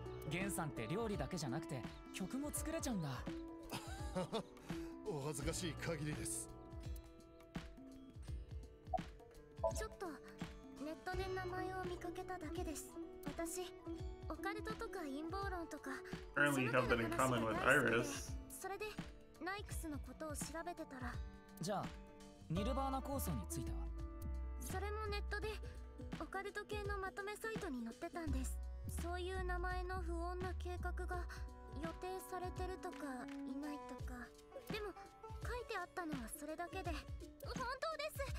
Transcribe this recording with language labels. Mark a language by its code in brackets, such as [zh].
[ja] ゲンさんって料理だけじゃなくて曲も作れちゃうんだ。お恥ずかしい限りです。ちょっとネットで名前を見かけただけです。私オカルトとか陰謀論とか、 [en] Apparently you have that in common with Iris。 [ja] それでナイクスのことを調べてたら、じゃあニルバーナ構想についてはそれもネットでオカルト系のまとめサイトに載ってたんです。そういう名前の不穏な計画が予定されてるとかいないとか、でも書いてあったのはそれだけで本当です。